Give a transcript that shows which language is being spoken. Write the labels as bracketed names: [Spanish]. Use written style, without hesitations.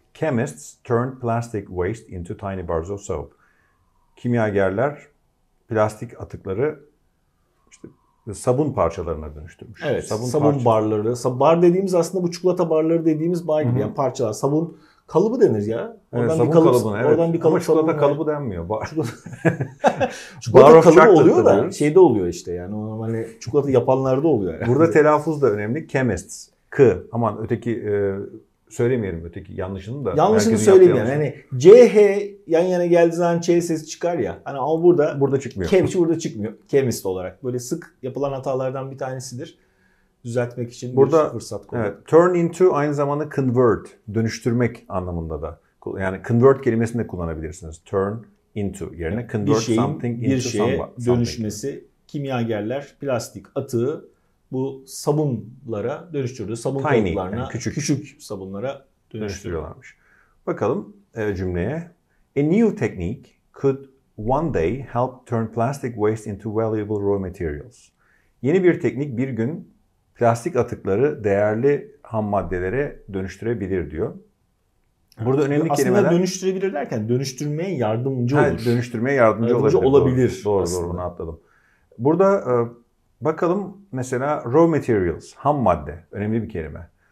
[English] Chemists turned plastic waste into tiny bars of soap. [Turkish] Kimyagerler plastik atıkları işte sabun parçalarına dönüştürmüş. Evet, sabun barları. Bar dediğimiz aslında bu çikolata barları dediğimiz bar gibi. Hı-hı. Yani parçalar. Sabun kalıbı denir ya. Oradan evet, sabun kalıbı. Evet. Oradan bir kalıp. Ama çikolata kalıbı denmiyor. Bar. Çikolata kalıbı oluyor da diyoruz. Şeyde oluyor işte. Yani normalde hani çikolata yapanlarda oluyor. Yani. Burada telaffuz da önemli. Chemists. K. Aman öteki söylemeyelim öteki yanlışını da. Yanlışını söylemeyelim. Yani CH yan yana geldiği zaman Ç sesi çıkar ya. Hani ama burada. Burada çıkmıyor. Chemist burada çıkmıyor. Chemist olarak. Böyle sık yapılan hatalardan bir tanesidir. Düzeltmek için burada, bir fırsat koyduk. Evet, turn into aynı zamanda convert. Dönüştürmek anlamında da. Yani convert kelimesini de kullanabilirsiniz. Turn into yerine yani convert şeyin, [English] something into [Turkish] bir şeye [English] something. [Turkish] Bir dönüşmesi. Kimyagerler plastik atığı bu sabunlara dönüştürdü. Sabun kalıplarına, yani küçük sabunlara dönüştürüyorlarmış. Bakalım cümleye. [English] A new technique could one day help turn plastic waste into valuable raw materials. [Turkish] Yeni bir teknik bir gün plastik atıkları değerli ham maddelere dönüştürebilir diyor. Burada önemli aslında kelimeler... Aslında dönüştürebilir derken dönüştürmeye yardımcı olur. Ha, dönüştürmeye yardımcı olabilir. Olabilir. Doğru bunu atladım. Burada bakalım mesela raw materials, ham madde. Önemli bir kelime.